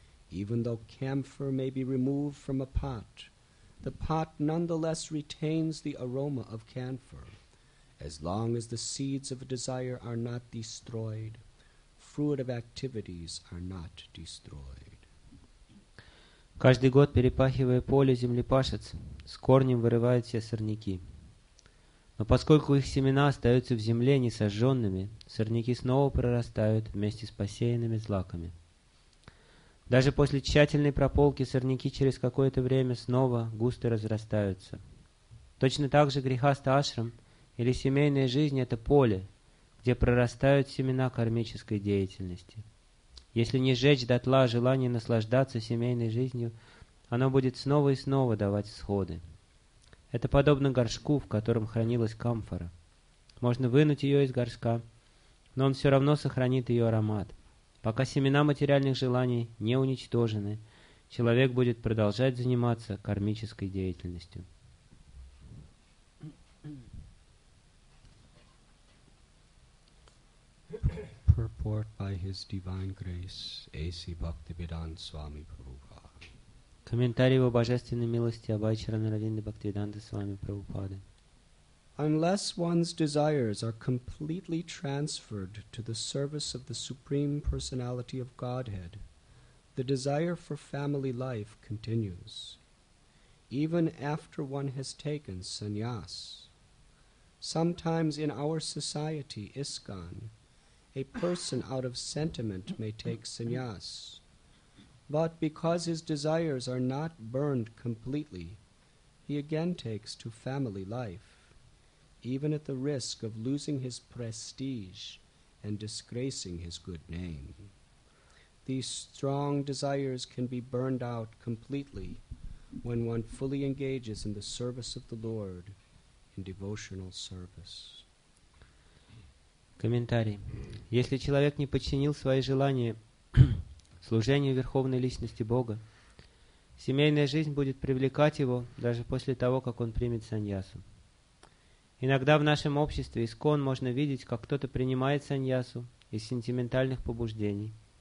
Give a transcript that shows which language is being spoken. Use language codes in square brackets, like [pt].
[en] Even though camphor may be removed from a pot, the pot nonetheless retains the aroma of camphor. As long as the seeds of a desire are not destroyed, fruitive activities are not destroyed. [ru] Каждый год, перепахивая поле, землепашец с корнем вырывает все сорняки. Но поскольку их семена остаются в земле несожженными, сорняки снова прорастают вместе с посеянными злаками. Даже после тщательной прополки сорняки через какое-то время снова густо разрастаются. Точно так же грехаста ашрам или семейная жизнь – это поле, где прорастают семена кармической деятельности. Если не сжечь дотла желание наслаждаться семейной жизнью, оно будет снова и снова давать всходы. Это подобно горшку, в котором хранилась камфора. Можно вынуть ее из горшка, но он все равно сохранит ее аромат. Пока семена материальных желаний не уничтожены, человек будет продолжать заниматься кармической деятельностью. [en] Purport by His Divine Grace, A.C. Bhaktivedanta Swami Prabhupada. [ru] Комментарий во Божественной милости Абхай Чаранаравинды Бхактивиданты Свами Прабхупады. [en] Unless one's desires are completely transferred to the service of the Supreme Personality of Godhead, the desire for family life continues. Even after one has taken sannyas, sometimes in our society, ISKCON, a person out of sentiment may take sannyas, but because his desires are not burned completely, he again takes to family life. Even at the risk of losing his prestige and disgracing his good name. These strong desires can be burned out completely when one fully engages in the service of the Lord in devotional service. [ru] Комментарий. Если человек не подчинил свои желания служению Верховной Личности Бога, семейная жизнь будет привлекать его даже после того, как он примет саньясу. Иногда в нашем обществе ИСККОН можно видеть, как кто-то принимает саньясу из сентиментальных побуждений.